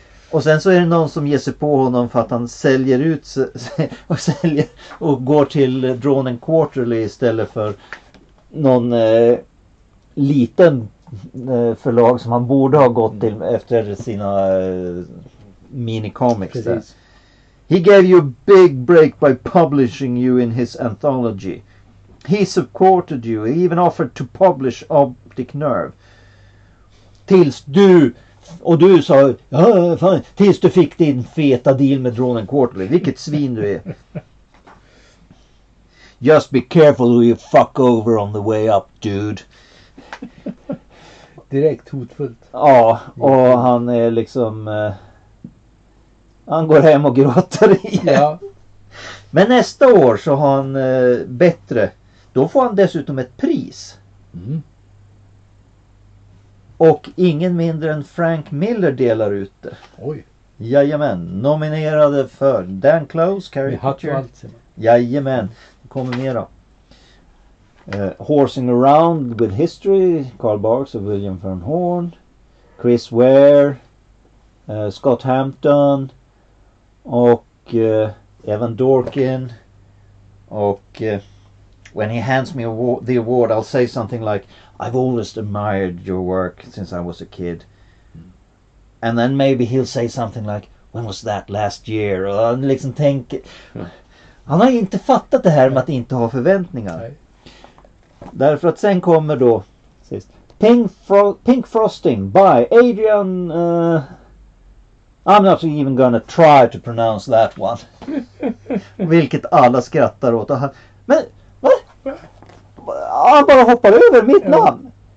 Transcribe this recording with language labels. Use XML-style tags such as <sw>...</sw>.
<sv>Och sen så är det någon som ger sig på honom för att han säljer ut och säljer och går till Drone & Quarterly istället för någon liten förlag som han borde ha gått till efter sina minicomics. Precis.</sv> <en>He gave you a big break by publishing you in his anthology. He supported you. He even offered to publish Optic Nerve.</en> <sv>Tills du... Och du sa, fan, tills du fick din feta deal med Drone & Quarterly. Vilket svin du är.</sv> <en>Just be careful who you fuck over on the way up, dude.</en> <sv>Direkt hotfullt. Ja, och han är liksom... han går hem och gråter igen. Ja. Men nästa år så har han bättre. Då får han dessutom ett pris. Mm. Och ingen mindre än Frank Miller delar ut det. Oj. Jajamän. Nominerade för Dan Close, Carrie Fisher. Jajamän. Det kommer mer då.</sv> <en>Horsing Around with History.</en> <sv>Carl Barks och William Fern Horn. Chris Ware. Scott Hampton. Och Evan Dorkin. Och</sv> <en>when he hands me the award I'll say something like... I've always admired your work since I was a kid. And then maybe he'll say something like, when was that last year?</en> <sv>Och han liksom tänker... Han har inte fattat det här med att inte ha förväntningar. Nej. Därför att sen kommer då sist, Pink Frosting by Adrian.</sv> <en>I'm not even gonna try to pronounce that one.</en> <sv>Vilket alla skrattar åt. Men, vad? Han bara hoppar över mitt namn.</sv>